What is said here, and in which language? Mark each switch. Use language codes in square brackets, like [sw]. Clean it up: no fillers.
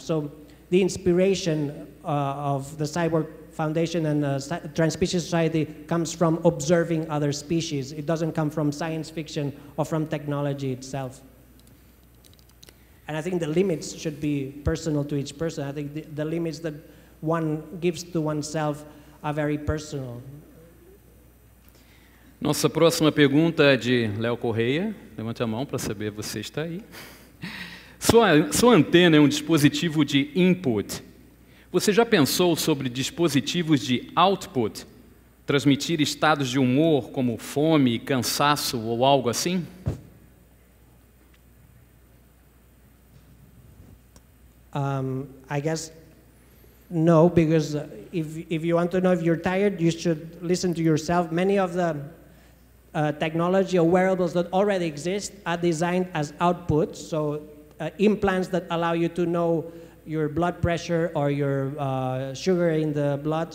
[en] So the inspiration of the Cyborg Foundation and Transpecies Society comes from observing other species. It doesn't come from science fiction or from technology itself. And I think the limits should be personal to each person. I think the limits that one gives to oneself are very personal. [pt] Nossa próxima pergunta é de Léo Correia. Levante a mão para saber se você está aí. Sua antena é um dispositivo de input. Você já pensou sobre dispositivos de output, transmitir estados de humor como fome, cansaço ou algo assim? [en] I guess no, because if you want to know if you're tired, you should listen to yourself. Many of the technology or wearables that already exist are designed as outputs, so implants that allow you to know your blood pressure or your sugar in the blood.